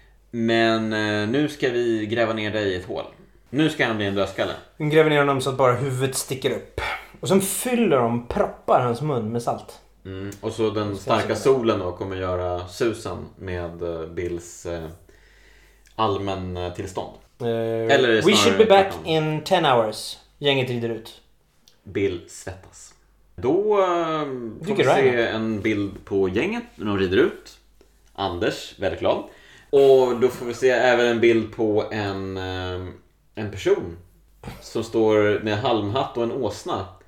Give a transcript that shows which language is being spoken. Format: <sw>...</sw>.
<sv>Men nu ska vi gräva ner dig i ett hål. Nu ska han bli en dödskalle. Vi gräver ner honom så att bara huvudet sticker upp. Och sen fyller de, proppar hans mun med salt. Mm. Och så den starka solen då kommer göra susen med Bills allmän tillstånd. Eller</sv> <en>we should be back in 10 hours.</en> <sv>Gänget rider ut. Bill svettas. Då får vi se en bild på gänget när de rider ut. Anders, väldigt glad. Och då får vi se även en bild på en person som står med halmhatt och en åsna.</sv>